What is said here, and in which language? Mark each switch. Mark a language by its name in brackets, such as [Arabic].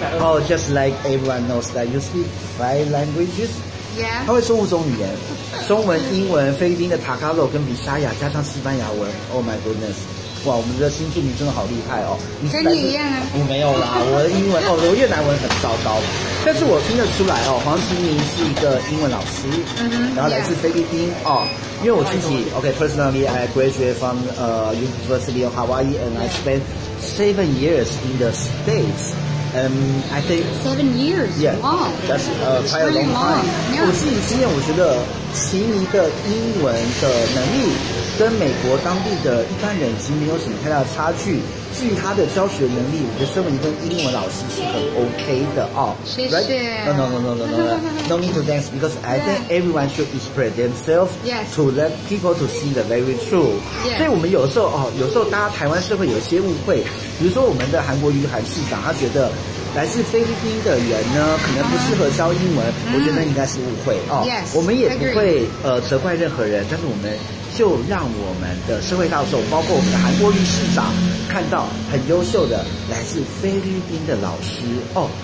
[English] 哦 ，just like everyone knows that you speak five languages。 Yeah. [Chinese] 他会说五种语言，中文、英文、菲律宾的塔卡洛跟比沙亚，加上西班牙文。 [English] Oh my goodness！ [Chinese] 哇，我们的新住民真的好厉害哦。跟你一样啊？我没有啦，我的英文哦，我越南文很糟糕，但是我听得出来哦，黄奇尼是一个英文老师，然后来自菲律宾哦。因为我自己 [English] personally I graduated from University of Hawaii and I spent 7 years in the States. I think 7 years. Yeah, wow. That's quite a long time. [Chinese] 我自己经验，我觉得奇尼的英文的能力跟美国当地的一般人其实没有什么太大的差距。至于他的教学能力，我觉得身为一个英文老师是很 OK 的哦。谢谢。 [English] No need to thanks because I think everyone should express themselves to let people to see the very truth. [Chinese] 所以我们有时候哦，有时候大家台湾社会有些误会，比如说我们的韩国瑜韩市长，他觉得来自菲律宾的人呢可能不适合教英文，我觉得应该是误会哦。我们也不会责怪任何人，但是我们就让我们的社会大众，包括我们的韩国瑜市长，看到很优秀的来自菲律宾的老师哦。